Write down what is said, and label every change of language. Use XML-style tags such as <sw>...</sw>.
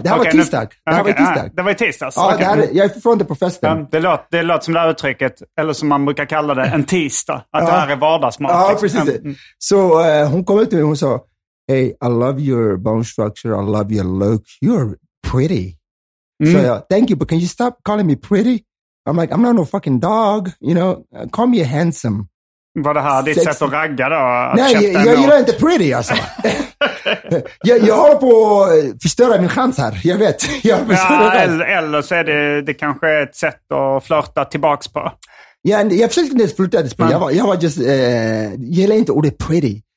<sv>Det här var tisdag. Det var i tisdags. Ja, okay. Jag är från det på festen. Det låter som det här uttrycket, eller som man brukar kalla det, en tisdag. Att det här är vardagsmat. Ja, precis. Så hon kom upp till mig och sa,</sv> <en>hey, I love your bone structure. I love your look. You're pretty. Mm. So, thank you, but can you stop calling me pretty? I'm like, I'm not no fucking dog, you know. Call me a handsome.</en> <sv>Var det här ditt sätt att ragga då? Nej, jag gillar inte pretty, alltså. jag håller på att förstöra min chans här, jag vet. Jag ja, eller så är det kanske ett sätt att flirta tillbaks på. Ja, jag försökte inte flirta tillbaka. Mm. Jag var just, jag gillar inte ordet pretty.</sv>